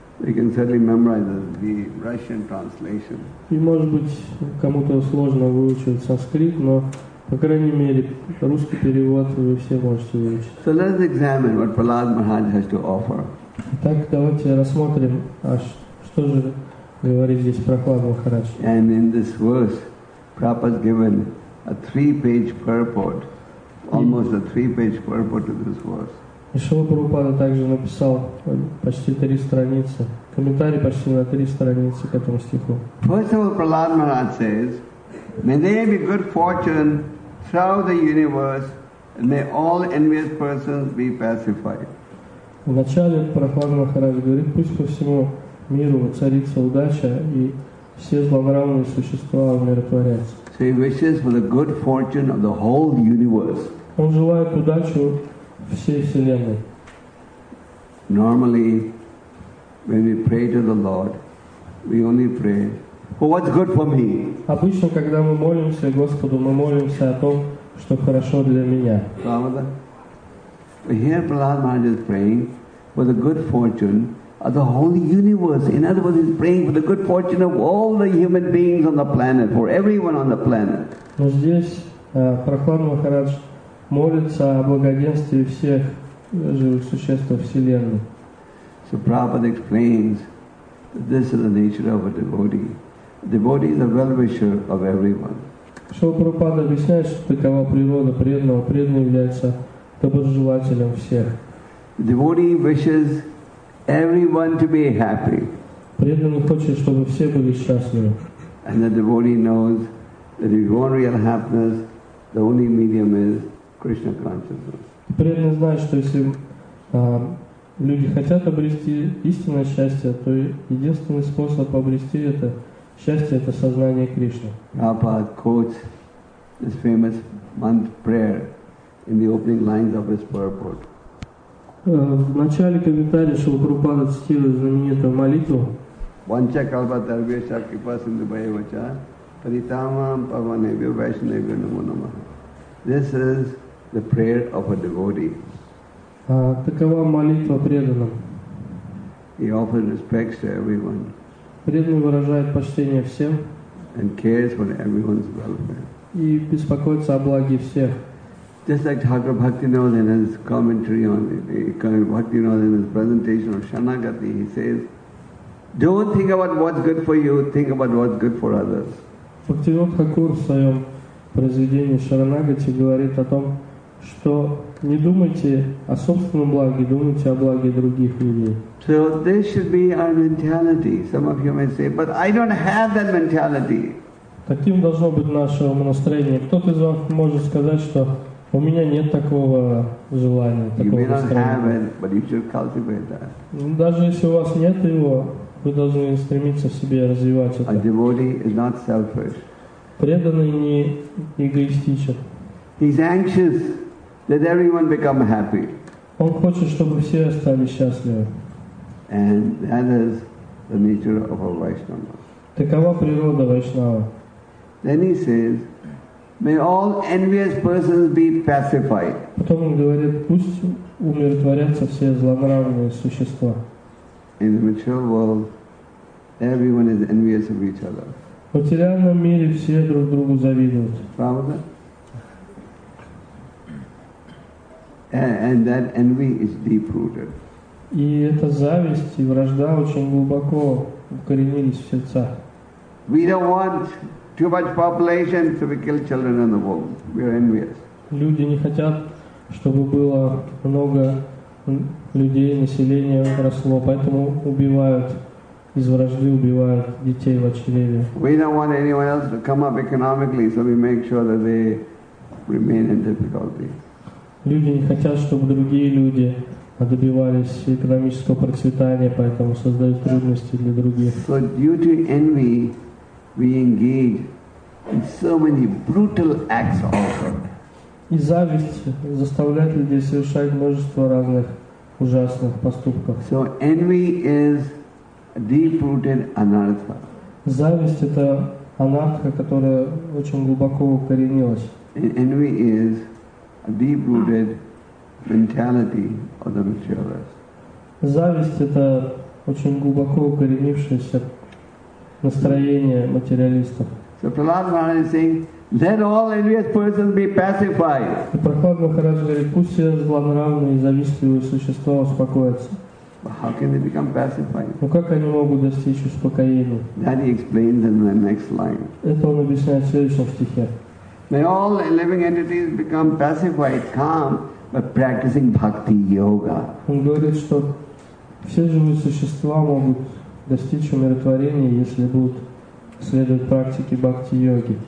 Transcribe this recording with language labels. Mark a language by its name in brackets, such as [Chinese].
[English] You can certainly memorize the Russian translation. [Russian] И может быть кому-то сложно выучить санскрит, но по крайней мере русский перевод вы все можете выучить. [English] So let's examine what Prahlad Maharaj has to offer. [Russian] Итак, давайте рассмотрим, что же говорит здесь Прохлад Махарадж. [English] And in this verse, Prabhupada's given a three-page purport, almost a three-page purport to this verse. [Russian] И Шрила Прабхупада также написал почти три страницы, комментарий почти на три страницы к этому стиху. [English] First of all, Prahlad Maharaj says, may there be good fortune throughout the universe, and may all envious persons be pacified. [Russian] Вначале Прохлад Махарадж говорит, пусть по всему миру воцарится удача, и все злонравные существа умиротворятся. [English] So he wishes for the good fortune of the whole universe. [Russian] Он желает удачу всей вселенной. [English] Normally, when we pray to the Lord, we only pray for what's good for me. [Russian] Обычно, когда мы молимся Господу, мы молимся о том, что хорошо для меня. [English] Prabhupada, here Prahlad Maharaj is praying for the good fortune the whole universe. In other words, he's praying for the good fortune of all the human beings on the planet, for everyone on the planet. [Russian] Но здесь Прохлад Махарадж молится о благоденствии всех живых существ во Вселенной. [English] So Prabhupada explains that this is the nature of a devotee. A devotee is a well-wisher of everyone. [Russian] Шрила Прабхупада объясняет, что такова природа преданного. Преданный является доброжелателем всех. [English] The devotee wishes everyone to be happy. [Russian] Преданный хочет, чтобы все были счастливы. [English] And the devotee knows that if you want real happiness, the only medium is Krishna consciousness. [Russian] Преданный знает, что если люди хотят обрести истинное счастье, то единственный способ обрести это счастье — это сознание Кришны. [English] Prabhupada quotes this famous mantra prayer in the opening lines of his purport. [Russian] В начале комментария Шрила Прабхупада цитирует знаменитую молитву. [Sanskrit] Vancha kalpa tarvesha kripa sindhu bhayavacha paritamam pavanevyo vaishnevyo namo namaha. [English] This is the prayer of a devotee. [Russian] Такова молитва преданным. [English] He offers respects to everyone. [Russian] Преданный выражает почтение всем. [English] And cares for everyone's welfare. [Russian] И беспокоится о благе всех. [English] Just like Thakur Bhaktivinoda in his commentary on Bhaktivinoda in his presentation of Shanagati, he says, don't think about what's good for you, think about what's good for others. [Russian] Bhaktivinoda Thakur в своем произведении Шаранагати говорит о том, что не думайте о собственном благе, думайте о благе других людей. [English] So this should be our mentality. Some of you may say, but I don't have that mentality. [Russian] Таким должно быть наше настроение. Кто-то из вас может сказать, что у меня нет такого желания, такого [English] You may not have it, but you should cultivate that. [Russian] Даже если у вас нет его, вы должны стремиться в себе развивать это. [English] A devotee is not selfish. [Russian] Преданный не эгоистичен. [English] He's anxious. Let everyone become happy. [Russian] Он хочет, чтобы все стали счастливы. [English] And that is the nature of a Vaishnava. [Russian] Такова природа Вайшнава. [English] Then he says, may all envious persons be pacified. [Russian] Потом он говорит, пусть умиротворятся все злонравные существа. [English] In the material world, everyone is envious of each other. [Russian] В материальном мире все друг другу завидуют. Правда? [English] And that envy is deep-rooted. [Russian] И эта зависть и вражда очень глубоко укоренились в сердца. [English] We don't want too much population, so we kill children in the womb. We are envious. [Russian] Люди не хотят, чтобы было много людей, население росло, поэтому убивают из вражды убивают детей в чреве. [English] We don't want anyone else to come up economically, so we make sure that they remain in difficulty. [Russian] Люди не хотят, чтобы другие люди добивались экономического процветания, поэтому создают трудности для других. [English] So due to envy, we engage in so many brutal acts also. [Russian] И зависть заставляет людей совершать множество разных ужасных поступков. [English] So envy is a deep-rooted anartha. [Russian] Зависть — это анартха, которая очень глубоко укоренилась. [English] Envy is a deep-rooted mentality of the materialist. [Russian] Зависть — это очень глубоко укоренившееся настроение материалистов. [English] So Prahlad Maharaj is saying, let all envious persons be pacified. [Russian] И Прохлад Махарадж говорит, пусть все злонравные и завистливые существа успокоятся. [English] But how can they become pacified? [Russian] Ну как они могут достичь успокоения? [English] That he explains in the next line. [Russian] Это он объясняет в следующем стихе. [English] May all living entities become pacified, calm, by practicing bhakti yoga. [Russian] Он говорит, что все живые существа могут достичь умиротворения, если будут следовать практике бхакти йоги.